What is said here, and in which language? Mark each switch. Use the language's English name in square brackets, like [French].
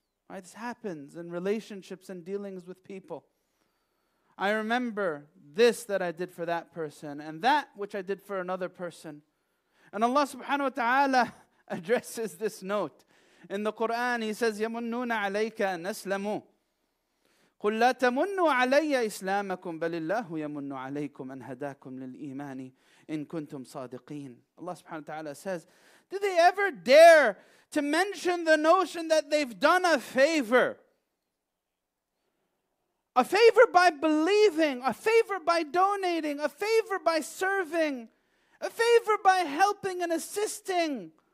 [English] Right, this happens in relationships and dealings with people. I remember this that I did for that person and that which I did for another person. And Allah subhanahu wa ta'ala addresses this note. In the Quran, He says, [Arabic] يَمُنُّونَ عَلَيْكَ أَنْ أَسْلَمُوا قل لا تمنوا علي إسلامكم بل الله يمن عليكم أن هداكم للإيمان إن كنتم صادقين. [English] Allah subhanahu wa ta'ala says, did they ever dare to mention the notion that they've done a favor? A favor by believing, a favor by donating, a favor by serving, a favor by helping and assisting.